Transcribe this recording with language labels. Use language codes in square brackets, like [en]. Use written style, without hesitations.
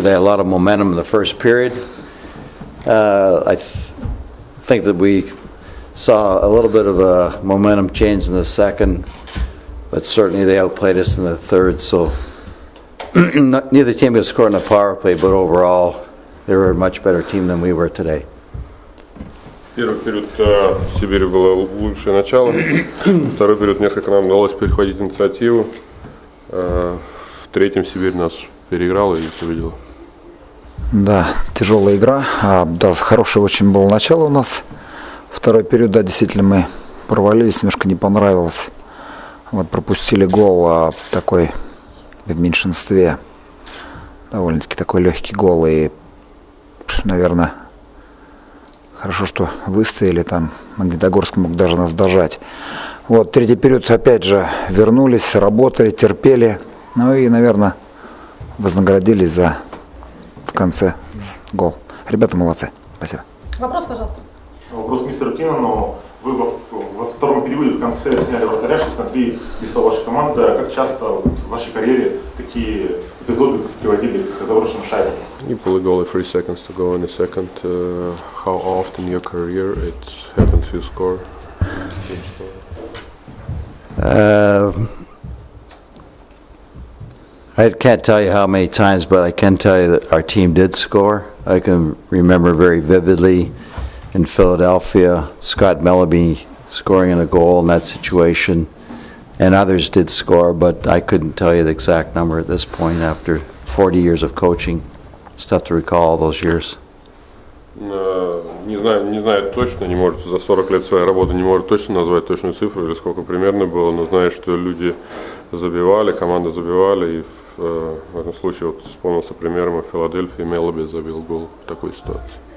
[en] They had a lot of momentum in the first period. I think that we saw a little bit of a momentum change in the second, but certainly they outplayed us in the third. So neither team could score in the power play, but overall, they were a much better team than we were today. [ru] Первый период Сибири было лучшее начало. Второй период несколько нам удалось перехватить инициативу. В третьем Сибирь нас переиграла и победила. Да, тяжелая игра. Да, хорошее очень было начало у нас. Второй период, да, действительно, мы провалились, немножко не понравилось. Вот пропустили гол такой в меньшинстве. Довольно-таки такой легкий гол. И, наверное, хорошо, что выстояли там. Магнитогорск мог даже нас дожать. Вот, третий период опять же вернулись, работали, терпели. Ну и, наверное, вознаградились за в конце гол. Ребята молодцы. Спасибо. Вопрос, пожалуйста. Вопрос мистеру Кина, но вы во втором периоде в конце сняли вратаря 6-3, весла ваша команда. Как часто в вашей карьере такие эпизоды приводили к заброшенным шайбам? [en] You pull a goal 3 seconds to go in the second. How often in your career it happened to score? I can't tell you how many times, but I can tell you that our team did score. I can remember very vividly in Philadelphia, Scott Mellaby scoring in a goal in that situation, and others did score, but I couldn't tell you the exact number at this point after 40 years of coaching. It's tough to recall all those years. [ru] Не знаю точно, не может за 40 лет своей работы не может точно назвать точную цифру или сколько примерно было, но знаю, что люди забивали, команда забивали, и в этом случае вот вспомнился примером о Филадельфии, Меллоби забил гол в такой ситуации.